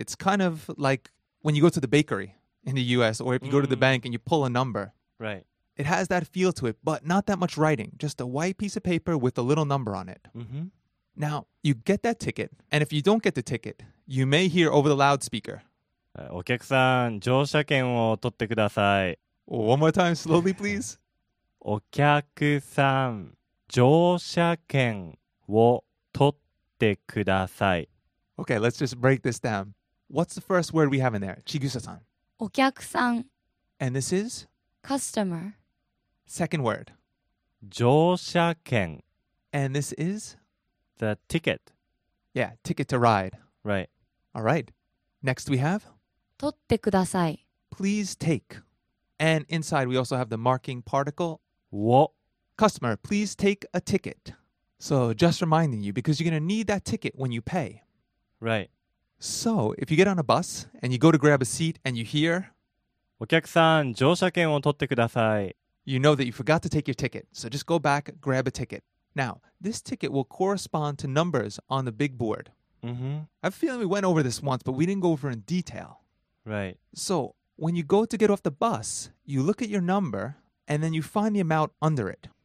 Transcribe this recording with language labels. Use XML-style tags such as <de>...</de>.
<en>It's kind of like when you go to the bakery in the U.S. or if you go to the bank and you pull a number. Right. It has that feel to it, but not that much writing. Just a white piece of paper with a little number on it. Mm-hmm. Now, you get that ticket. And if you don't get the ticket, you may hear over the loudspeaker.</en> <ja>お客さん、乗車券を取ってください。</ja> <en>One more time, slowly, please.</en> <ja>お客さん、乗車券を取ってください。ってください。</ja> <en>Okay, let's just break this down. What's the first word we have in there? Chigusa-san.</en> <ja>お客さん。</ja> <en>And this is? Customer. Second word.</en> <ja>乗車券。</ja> <en>And this is? The ticket. Yeah, ticket to ride. Right. All right. Next we have?</en> <ja>取ってください。</ja> <en>Please take. And inside we also have the marking particle.</en> <ja>を。</ja> <en>Customer, please take a ticket. So just reminding you, because you're going to need that ticket when you pay. Right. So if you get on a bus and you go to grab a seat and you hear,</en> <ja>お客さん、乗車券を取ってください。</ja> <en>You know that you forgot to take your ticket. So just go back, grab a ticket. Now, this ticket will correspond to numbers on the big board. Mm-hmm. I have a feeling we went over this once, but we didn't go over in detail. Right. So when you go to get off the bus, you look at your number and then you find the amount under it.</en>